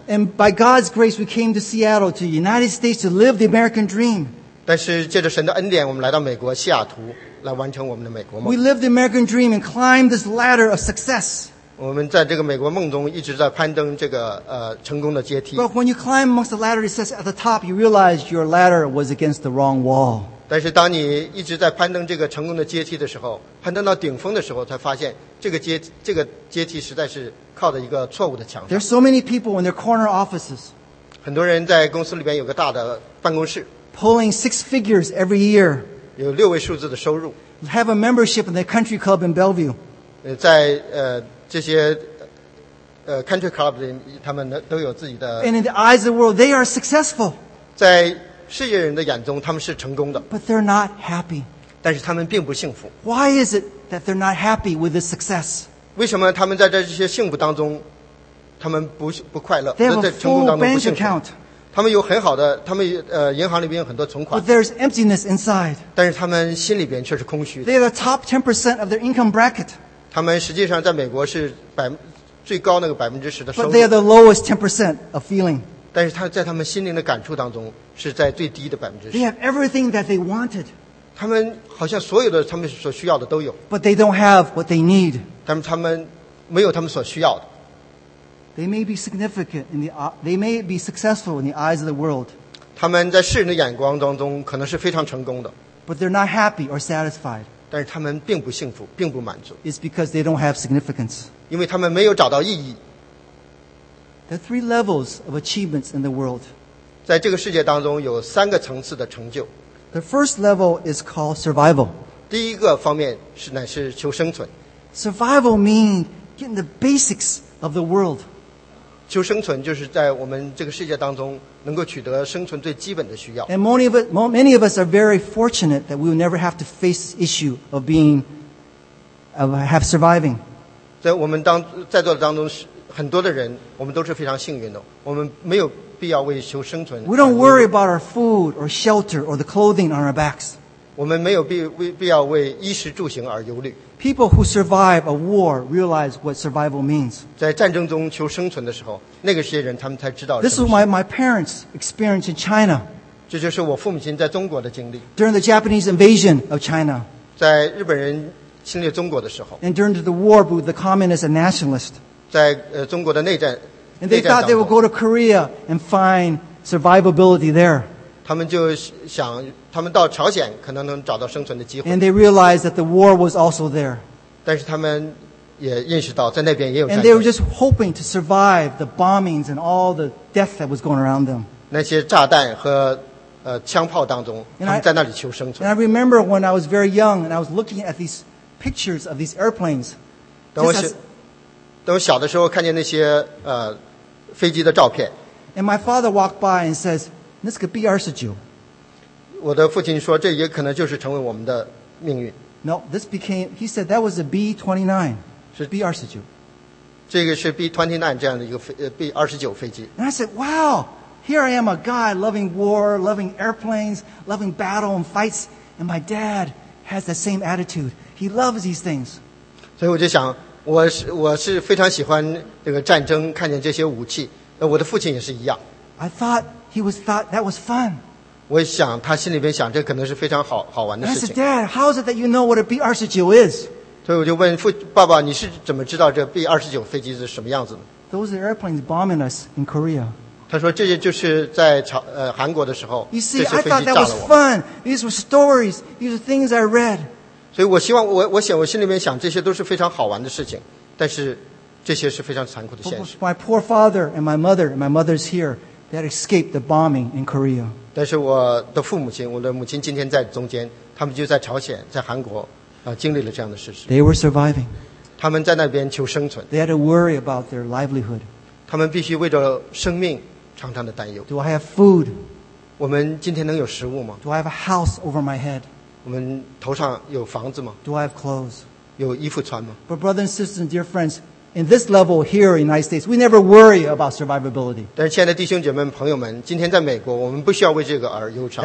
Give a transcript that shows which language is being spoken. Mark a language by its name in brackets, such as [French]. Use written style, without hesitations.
[English] And by God's grace, we came to Seattle, to the United States, to live the American dream. [Chinese] 但是借着神的恩典，我们来到美国西雅图，来完成我们的美国梦。 [English] We live the American dream and climb this ladder of success. [Chinese] 我们在这个美国梦中一直在攀登这个成功的阶梯。 [English] But when you climb amongst the ladder, it says at the top, you realize your ladder was against the wrong wall. [Chinese] 但是当你一直在攀登这个成功的阶梯的时候，攀登到顶峰的时候，才发现这个阶梯实在是靠着一个错误的墙上。 [English] There's so many people in their corner offices. [Chinese] 很多人在公司里边有个大的办公室 [English] ，pulling six figures every year， [Chinese] 有六位数字的收入 [English] ，have a membership in the country club in Bellevue， [Chinese] 在这些country club 里，他们都有自己的 [English] ，and in the eyes of the world they are successful， [Chinese] 在世界人的眼中他们是成功的 [English] ，but they're not happy， [Chinese] 但是他们并不幸福 [English] ，why is it that they're not happy with this success？ [Chinese] 为什么他们在这些幸福当中，他们不快乐？他们在成功当中不幸福。他们有很好的，他们银行里边有很多存款。 [English] But there's emptiness inside. [Chinese] 但是他们心里边却是空虚的。 [English] They are the top 10% of their income bracket. [Chinese] 他们实际上在美国是最高那个10%的收入。 [English] But they are the lowest 10% of feeling. [Chinese] 但是在他们心灵的感触当中是在最低的10%。 [English] They have everything that they wanted. [Chinese] 他们好像所有的他们所需要的都有。 [English] But they don't have what they need. [Chinese] 他们没有他们所需要的。 [English] They may be significant in the they may be successful in the eyes of the world. [Chinese] 他们在世人的眼光当中可能是非常成功的。 [English] But they're not happy or satisfied. [Chinese] 但是他们并不幸福，并不满足。 [English] It's because they don't have significance. [Chinese] 因为他们没有找到意义。 [English] There are three levels of achievements in the world. [Chinese] 在这个世界当中有三个层次的成就。 [English] The first level is called survival. [Chinese] 第一个方面是乃是求生存。 [English] Survival means getting the basics of the world. [Chinese] 求生存就是在我们这个世界当中能够取得生存最基本的需要。 [English] And many of us are very fortunate that we will never have to face the issue of surviving. [Chinese] 在我们在座的当中，很多的人我们都是非常幸运的，我们没有必要为求生存。 [English] We don't worry about our food or shelter or the clothing on our backs. [Chinese] 我们没有必要为衣食住行而忧虑。 [English] People who survive a war realize what survival means. [Chinese] 在战争中求生存的时候，那个些人他们才知道。 [English] This is my parents' experience in China. [Chinese] 这就是我父母亲在中国的经历。 [English] During the Japanese invasion of China. [Chinese] 在日本人侵略中国的时候。 [English] And during the war with the communists and nationalists. [Chinese] 在中国的内战。 [English] And they thought they would go to Korea and find survivability there. [Chinese] 他们就想。他们到朝鲜可能能找到生存的机会。 [English] And they realized that the war was also there. [Chinese] 但是他们也认识到在那边也有战争。 [English] And they were just hoping to survive the bombings and all the death that was going around them. [Chinese] 那些炸弹和枪炮当中，他们在那里求生存。 [English] And I remember when I was very young and I was looking at these pictures of these airplanes. [Chinese] 等我小的时候看见那些飞机的照片。 [English] And my father walked by and says, "This could be our schedule." [Chinese] 我的父亲说，这也可能就是成为我们的命运。 [English] No, this became. He said that was a B-29. [Chinese] 是 [English] B-29. [Chinese] 这个是 B-29 这样的一个B-29 飞机。 [English] And I said, "Wow, here I am, a guy loving war, loving airplanes, loving battle and fights, and my dad has the same attitude. He loves these things." [Chinese] 所以我就想，我是非常喜欢这个战争，看见这些武器。我的父亲也是一样。 [English] I thought he was thought that was fun. [Chinese] 我想他心里边想，这可能是非常好玩的事情。 [English] I said, "Dad, how is it that you know what a B-29 is?" [Chinese] 所以我就问爸爸，你是怎么知道这 B-29 飞机是什么样子的 [English] ？Those are airplanes bombing us in Korea. [Chinese] 他说这些就是在韩国的时候 [English] ，You see, I thought that was fun. These were stories. These are things I read. [Chinese] 所以我希望我心里边想，这些都是非常好玩的事情，但是这些是非常残酷的现实。 [English] My poor father and my mother's here. That escaped the bombing in Korea. [Chinese] 但是我的父母亲，我的母亲今天在中间，他们就在朝鲜，在韩国，经历了这样的事实。 [English] They were surviving. [Chinese] 他们在那边求生存。 [English] They had to worry about their livelihood. [Chinese] 他们必须为着生命常常的担忧。 [English] Do I have food? [Chinese] 我们今天能有食物吗 [English] ？Do I have a house over my head? [Chinese] 我们头上有房子吗 [English] ？Do I have clothes? [Chinese] 有衣服穿吗 [English] ？But brothers and sisters, dear friends. In this level here in the United States, we never worry about survivability. [Chinese] 但是亲爱的弟兄姐妹朋友们，今天在美国，我们不需要为这个而忧伤。